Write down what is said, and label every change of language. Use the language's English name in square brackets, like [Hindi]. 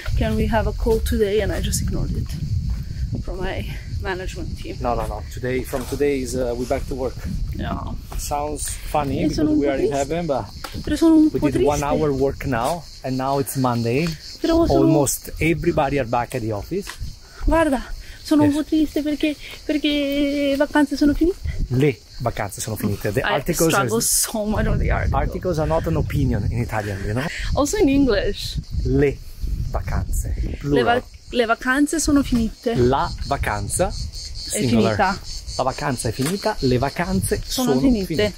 [English] Can we have a call today? And I just ignored it from my management team. No. Today, from today is we back to work. Yeah. Sounds funny because we are in heaven, but we did 1 hour work now, and now it's Monday. Almost everybody are back at the office. [Italian] Guarda, sono un po' triste perché vacanze sono finite. Le vacanze sono finite. [English] The articles, I struggle so much on the article. Articles are not an opinion in Italian, you know? Also in English. [Italian] Le vacanze. Le vacanze sono finite. La vacanza. Singular. È finita. La vacanza è finita. Le vacanze sono finite.